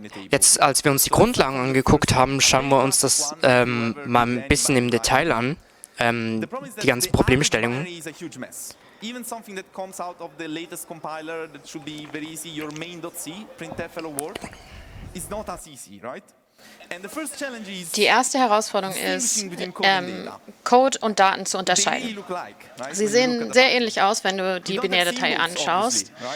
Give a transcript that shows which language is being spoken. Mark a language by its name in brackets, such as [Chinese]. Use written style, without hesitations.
[German] Jetzt, als wir uns die Grundlagen angeguckt haben, schauen wir uns das mal ein bisschen im Detail an, die ganzen Problemstellungen. [English] Even something that comes out of the latest compiler that should be very easy, your main.c, printf hello world, is not as easy, right? And the first challenge is, [German] die erste Herausforderung ist, Code und Daten zu unterscheiden. Sie sehen sehr ähnlich aus, wenn du die Binärdatei anschaust.